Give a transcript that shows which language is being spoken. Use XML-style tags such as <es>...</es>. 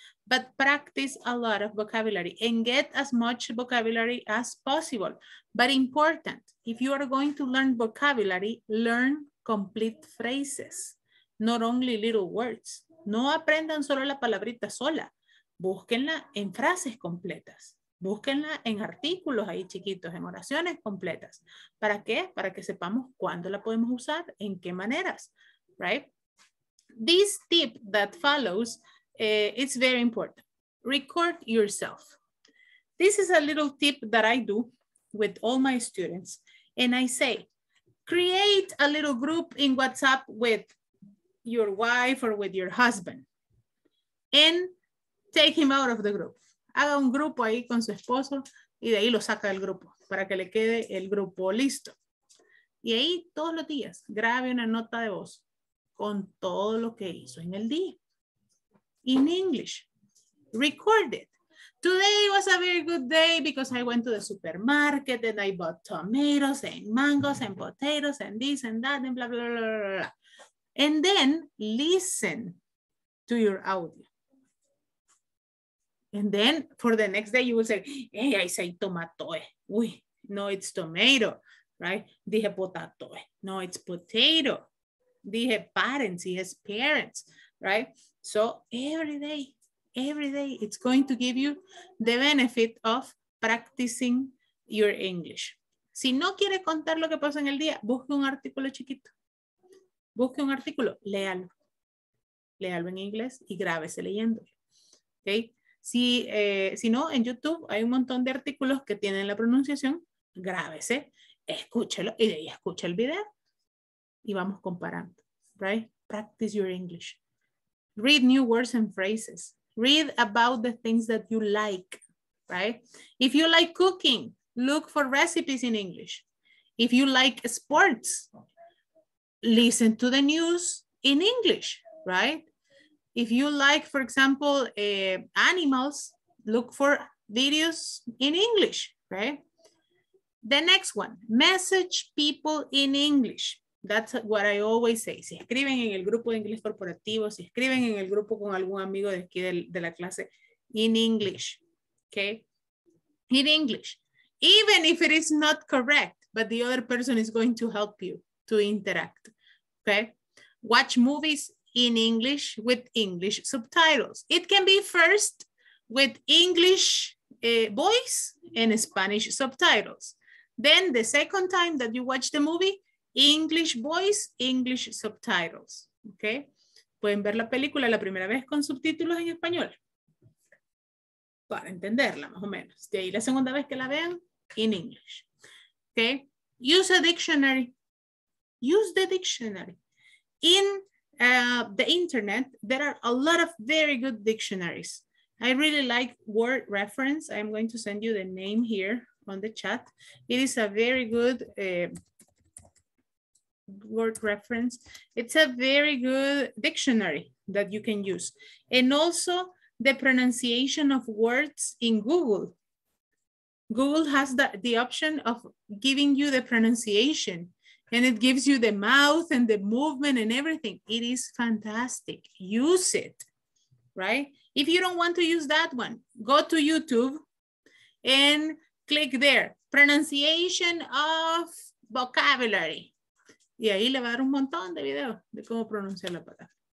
<en>But practice a lot of vocabulary and get as much vocabulary as possible. But important, if you are going to learn vocabulary, learn complete phrases, not only little words.</en> <es>No aprendan solo la palabrita sola. Búsquenla en frases completas. Búsquenla en artículos ahí chiquitos, en oraciones completas. ¿Para qué? Para que sepamos cuándo la podemos usar, en qué maneras, right?</es> <en>This tip that follows, it's very important. Record yourself. This is a little tip that I do with all my students. And I say, create a little group in WhatsApp with your wife or with your husband. And take him out of the group.</en> <es>Haga un grupo ahí con su esposo y de ahí lo saca del grupo para que le quede el grupo listo. Y ahí todos los días grabe una nota de voz con todo lo que hizo en el día.</es> <en>In English, record it. Today was a very good day because I went to the supermarket and I bought tomatoes and mangoes and potatoes and this and that and blah, blah, blah, blah, blah. And then listen to your audio. And then for the next day, you will say, hey, I say tomato.</en> <es>Uy, no,</es> <en>it's tomato, right?</en> <es>Dije</es> <en>potato. No, it's potato.</en> <es>Dije</es> <en>parents, he has parents, right? So every day, it's going to give you the benefit of practicing your English.</en> <es>Si no quiere contar lo que pasa en el día, busque un artículo chiquito. Busque un artículo, léalo. Léalo en inglés y grábese leyendo. Okay? Si no, en YouTube hay un montón de artículos que tienen la pronunciación, grábese, escúchelo y de ahí escucha el video y vamos comparando.</es> <en>Right? Practice your English. Read new words and phrases. Read about the things that you like, right? If you like cooking, look for recipes in English. If you like sports, listen to the news in English, right? If you like, for example, animals, look for videos in English, right? The next one, message people in English. That's what I always say.</en> <es>Si escriben en el grupo de inglés corporativo, si escriben en el grupo con algún amigo de aquí de la clase,</es> <en>in English, okay? In English. Even if it is not correct, but the other person is going to help you to interact, okay? Watch movies in English with English subtitles. It can be first with English voice and Spanish subtitles. Then the second time that you watch the movie, English voice, English subtitles, okay?</en> <es>Pueden ver la película la primera vez con subtítulos en español para entenderla más o menos. De ahí la segunda vez que la vean,</es> <en>in English, okay? Use a dictionary. Use the dictionary. In the internet, there are a lot of very good dictionaries. I really like Word Reference. I'm going to send you the name here on the chat. It is a very good Word Reference. It's a very good dictionary that you can use. And also the pronunciation of words in Google. Google has the option of giving you the pronunciation and it gives you the mouth and the movement and everything. It is fantastic. Use it. right? If you don't want to use that one, go to YouTube and click there. Pronunciation of vocabulary.</en> <es>Y ahí le va a dar un montón de videos de cómo pronunciar la palabra.</es>